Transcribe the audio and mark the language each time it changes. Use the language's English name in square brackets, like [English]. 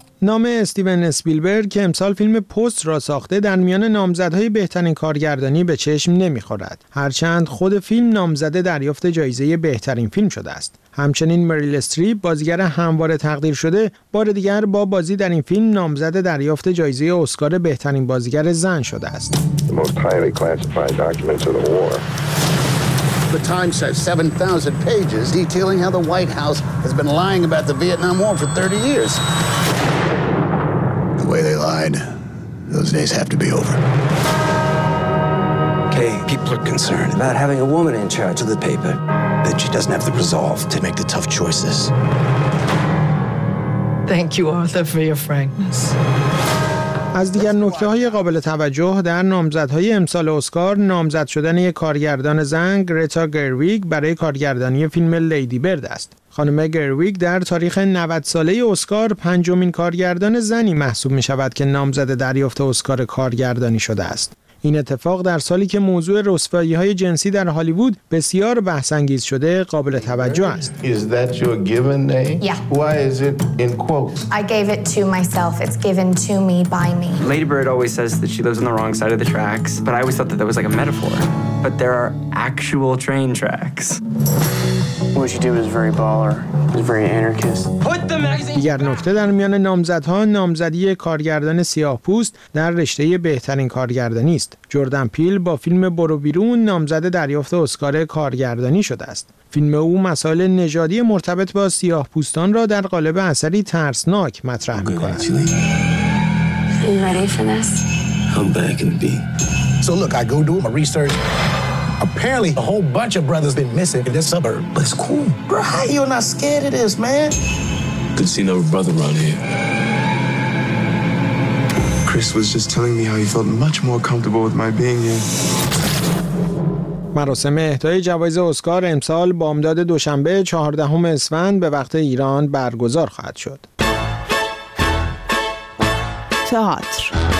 [Persian] بدنام استیون اسپیلبرگ که امسال فیلم پست را ساخته در میان نامزدهای بهترین کارگردانی به چشم نمی‌خورد. هرچند خود فیلم نامزده دریافت جایزه بهترین فیلم شده است. همچنین مریل استریپ بازیگر همواره تقدیر شده بار دیگر با بازی در این فیلم نامزد دریافت جایزه اسکار بهترین بازیگر زن شده است. [English] The Times has 7,000 pages detailing how the White House has been lying about the Vietnam War for 30 years. The way they lied, those days have to be over. Kay, people are concerned about having a woman in charge of the paper. That she doesn't have the resolve to make the tough choices. Thank you, Arthur, for your frankness. [Persian] از دیگر نکته‌های قابل توجه در نامزدهای امسال اسکار نامزد شدن یک کارگردان زن گریتا گروگ برای کارگردانی فیلم لیدی برد است. خانم گروگ در تاریخ 90 ساله اسکار پنجمین کارگردان زنی محسوب می‌شود که نامزد دریافت اسکار کارگردانی شده است. این اتفاق در سالی که موضوع رسوایی‌های جنسی در هالیوود بسیار بحث انگیز شده قابل توجه است. [English] Is that your given name? Yeah. Why is it in quotes? I gave it to myself. It's given to me by me. Lady Bird always says that she lives on the wrong side of the tracks, but I always thought that was like a metaphor. But there are actual train tracks. What she did was very baller. Was very anarchist. Put the magazine. [Persian] دیگر نکته در میان نامزدها نامزدی کارگردان سیاه‌پوست در رشته بهترین کارگردانی است. جردن پیل با فیلم برو بیرون نامزد دریافت اسکار کارگردانی شده است. فیلم او مسائل نژادی مرتبط با سیاه‌پوستان را در قالب اثری ترسناک مطرح می‌کند. [English] Are you ready for this? I'm back in the beat. So look, I go do my research. Apparently, a whole bunch of brothers been missing in this suburb. But it's cool. Bro, how you not scared of this, man? Couldn't see no brother around here. Chris was just telling me how he felt much more comfortable with my being here. [Persian] مراسم اهدای جوایز اسکار امسال بامداد دوشنبه 14 اسفند به وقت ایران برگزار خواهد شد. تئاتر.